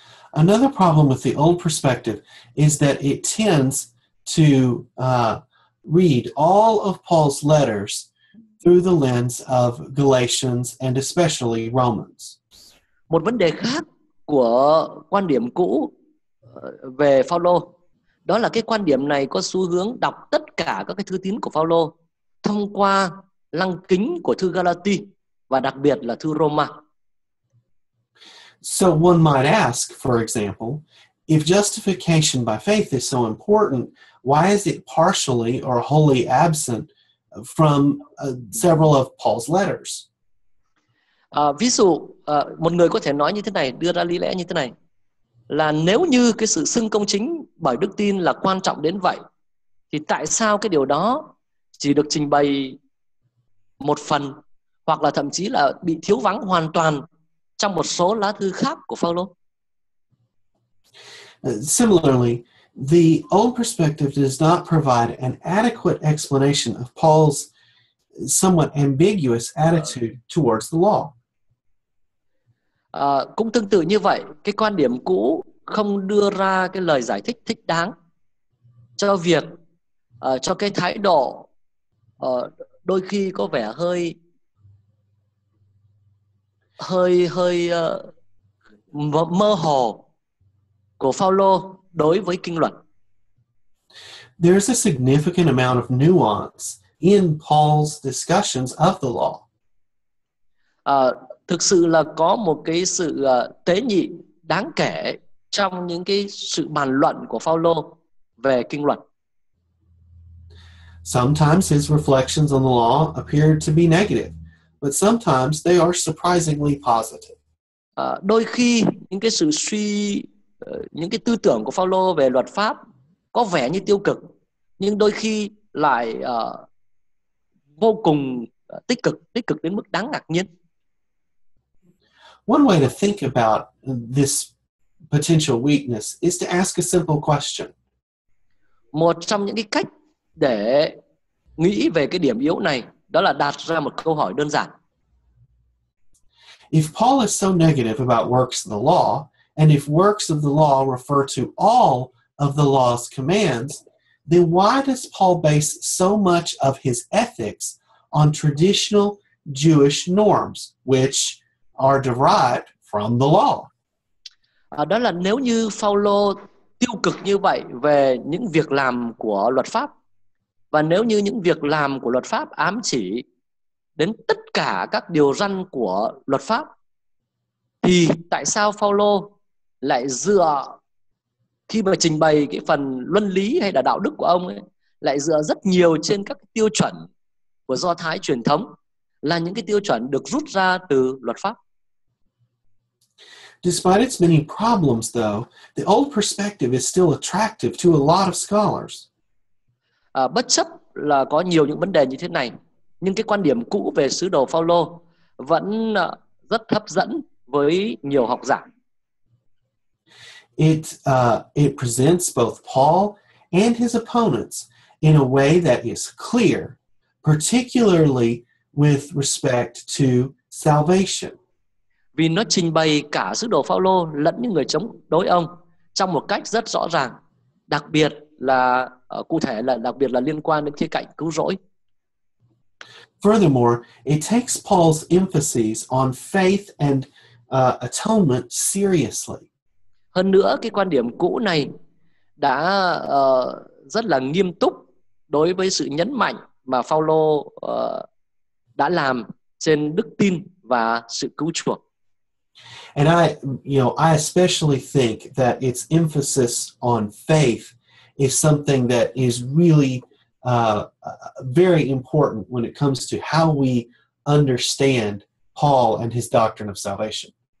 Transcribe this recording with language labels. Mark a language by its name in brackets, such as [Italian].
[English] Another problem with the old perspective is that it tends to read all of Paul's letters through the lens of Galatians and especially Romans. [Vietnamese] Một vấn đề khác của quan điểm cũ về Phaolô đó là cái quan điểm này có xu hướng đọc tất cả các cái thư tín của Phaolô thông qua lăng kính của thư Galati và đặc biệt là thư Roma. [English] So one might ask, for example, if justification by faith is so important, why is it partially or wholly absent from several of Paul's letters. [Vietnamese] Ví dụ, một người có thể nói như thế này, đưa ra lý lẽ như thế này, là nếu như cái sự xưng công chính bởi đức tin là quan trọng đến vậy, thì tại sao cái điều đó chỉ được trình bày một phần, hoặc là thậm chí là bị thiếu vắng hoàn toàn trong một số lá thư khác của Phao-lô? [English] Similarly, the old perspective does not provide an adequate explanation of Paul's somewhat ambiguous attitude towards the law. [Vietnamese] Cũng tương tự như vậy, cái quan điểm cũ không đưa ra cái lời giải thích thích đáng cho việc cho cái thái độ đôi khi có vẻ hơi mơ hồ của Phao-lô đối với kinh luật. [English] There is a significant amount of nuance in Paul's discussions of the law. [Vietnamese] Thực sự là có một cái sự tế nhị đáng kể trong những cái sự bàn luận của Phao-lô về kinh luật. [English] Sometimes his reflections on the law appear to be negative, but sometimes they are surprisingly positive. [Vietnamese] Đôi khi những cái sự suy những cái tư tưởng của Phao-lô về luật pháp có vẻ như tiêu cực, nhưng đôi khi lại vô cùng tích cực đến mức đáng ngạc nhiên. [English] One way to think about this potential weakness is to ask a simple question. [Vietnamese] Một trong những cái cách để nghĩ về cái điểm yếu này đó là đặt ra một câu hỏi đơn giản. [English] If Paul is so negative about works of the law, and if works of the law refer to all of the law's commands, then why does Paul base so much of his ethics on traditional Jewish norms, which are derived from the law? [Vietnamese] Đó là nếu như Phao-lô tiêu cực như vậy về những việc làm của luật pháp, và nếu như những việc làm của luật pháp ám chỉ đến tất cả các điều răn của luật pháp, thì tại sao Phao-lô lại dựa, khi mà trình bày cái phần luân lý hay là đạo đức của ông ấy, lại dựa rất nhiều trên các tiêu chuẩn của Do Thái truyền thống, là những cái tiêu chuẩn được rút ra từ luật pháp? [English] Despite its many problems though, the old perspective is still attractive to a lot of scholars. [Vietnamese] Bất chấp là có nhiều những vấn đề như thế này, nhưng cái quan điểm cũ về sứ đồ Phao-lô vẫn rất hấp dẫn với nhiều học giả. [English] It presents both Paul and his opponents in a way that is clear, particularly with respect to salvation. [Vietnamese] Vì nó trình bày cả sứ đồ Phao-lô lẫn những người chống đối ông trong một cách rất rõ ràng, đặc biệt là cụ thể là đặc biệt là liên quan đến khía cạnh cứu rỗi. [English] Furthermore, it takes Paul's emphasis on faith and atonement seriously. [Vietnamese] Hơn nữa, cái quan điểm cũ này đã rất là nghiêm túc đối với sự nhấn mạnh mà Phao-lô đã làm trên đức tin và sự cứu chuộc. [English] And I especially think that its emphasis on faith is something that is really very important when it comes to how we understand Paul and his doctrine of salvation.